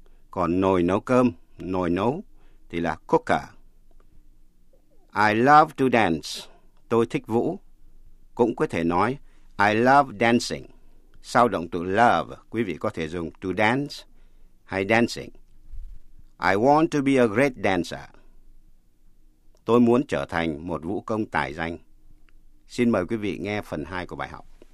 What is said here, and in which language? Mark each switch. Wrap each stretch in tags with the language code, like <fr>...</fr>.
<vi>Còn nồi nấu cơm, nồi nấu, thì là cooker.</vi> <en>I love to dance,</en> <vi>tôi thích vũ. Cũng có thể nói,</vi> <en>I love dancing.</en> <vi>Sau động từ love, quý vị có thể dùng to dance hay dancing.</vi> <en>I want to be a great dancer.</en> <vi>Tôi muốn trở thành một vũ công tài danh. Xin mời quý vị nghe phần 2 của bài học.</vi>